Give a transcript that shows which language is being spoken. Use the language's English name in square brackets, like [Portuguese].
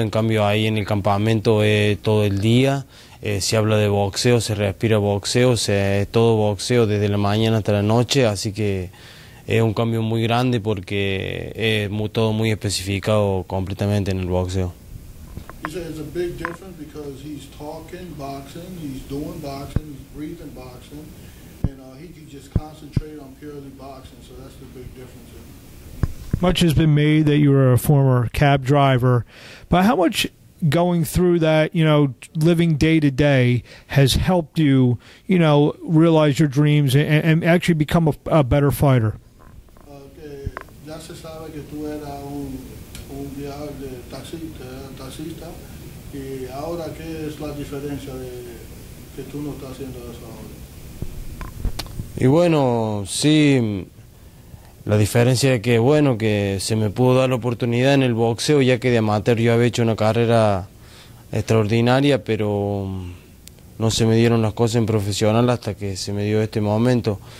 [Spanish] En cambio, ahí en el campamento es todo el día. Se habla de boxeo, se respira boxeo, es todo boxeo desde la mañana hasta la noche. Así que es un cambio muy grande porque todo muy especificado completamente en el boxeo. [English] He said it's a big difference because he's talking boxing, he's doing boxing, he's breathing boxing, and he can just concentrate on purely boxing, so that's the big difference. Much has been made that you were a former cab driver, but how much going through that, living day to day has helped you, realize your dreams and actually become a better fighter? [Spanish] Ya se sabe que tú eras un viajero de taxista, y ahora, ¿qué es la diferencia de que tú no estás haciendo eso ahora? Y bueno, sí, la diferencia es que, bueno, que se me pudo dar la oportunidad en el boxeo, ya que de amateur yo había hecho una carrera extraordinaria, pero no se me dieron las cosas en profesional hasta que se me dio este momento.